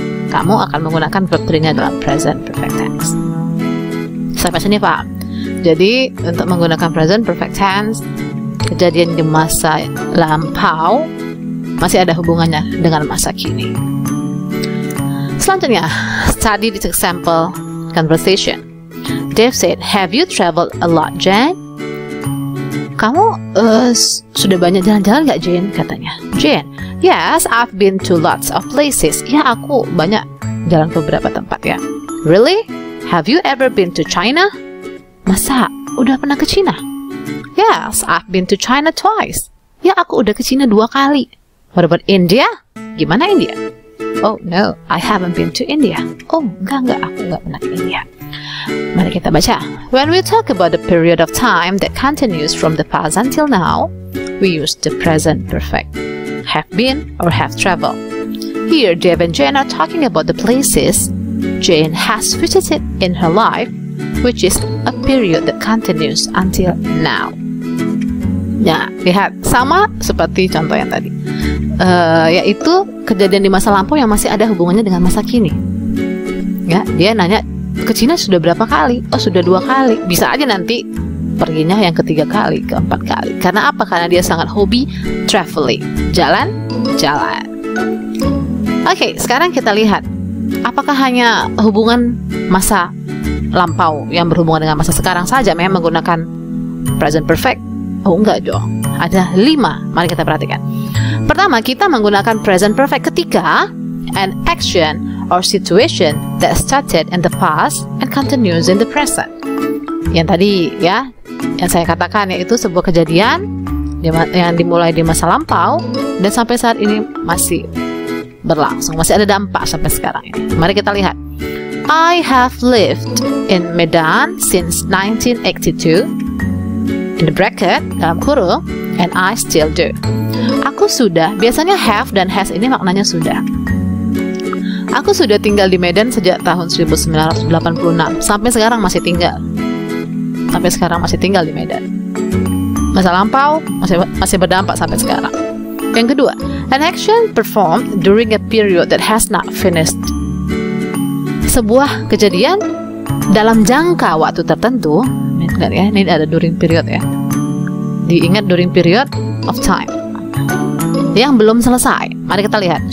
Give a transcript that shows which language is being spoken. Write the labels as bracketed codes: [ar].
[id] Kamu akan menggunakan verb 3-nya dalam present perfect tense. Sampai sini paham? Jadi, untuk menggunakan present perfect tense, kejadian di masa lampau masih ada hubungannya dengan masa kini. [en] Selanjutnya, study this example conversation. Dave said, "Have you traveled a lot, Jane?" [id] Kamu sudah banyak jalan-jalan gak, Jane? Katanya. [en] Jane, "Yes, I've been to lots of places." [id] Ya, aku banyak jalan ke beberapa tempat ya. [en] "Really? Have you ever been to China?" [id] Masa? Udah pernah ke China? [en] "Yes, I've been to China twice." [id] Ya, aku udah ke China dua kali. [en] "What about India? [id] Gimana India?" [en] "Oh, no, I haven't been to India." [id] Oh, enggak, aku enggak pernah ke India. Mari kita baca. [en] When we talk about the period of time that continues from the past until now, we use the present perfect, have been or have traveled. Here, Dave and Jane are talking about the places Jane has visited in her life, which is a period that continues until now. [id] Ya, lihat, sama seperti contoh yang tadi. Yaitu kejadian di masa lampau yang masih ada hubungannya dengan masa kini. Ya, dia nanya, ke Cina sudah berapa kali? Oh, sudah dua kali. Bisa aja nanti perginya yang ketiga kali, keempat kali. Karena apa? Karena dia sangat hobi traveling. Jalan-jalan. Oke, sekarang kita lihat. Apakah hanya hubungan masa lampau yang berhubungan dengan masa sekarang saja memang menggunakan present perfect? Oh, enggak dong. Ada lima. Mari kita perhatikan. Pertama, kita menggunakan present perfect ketika [en] an action or situation that started in the past and continues in the present. [id] Yang tadi ya, yang saya katakan yaitu sebuah kejadian yang dimulai di masa lampau dan sampai saat ini masih berlangsung, masih ada dampak sampai sekarang ini. Mari kita lihat. [en] I have lived in Medan since 1982 in the bracket [id] dalam kurung [en] and I still do. [id] Aku sudah, biasanya have dan has ini maknanya sudah. Aku sudah tinggal di Medan sejak tahun 1986. Sampai sekarang masih tinggal. Sampai sekarang masih tinggal di Medan. Masa lampau masih berdampak sampai sekarang. Yang kedua, [en] an action performed during a period that has not finished. [id] Sebuah kejadian dalam jangka waktu tertentu. Ingat ya, ini ada during period ya. Diingat during period of time. Yang belum selesai. Mari kita lihat.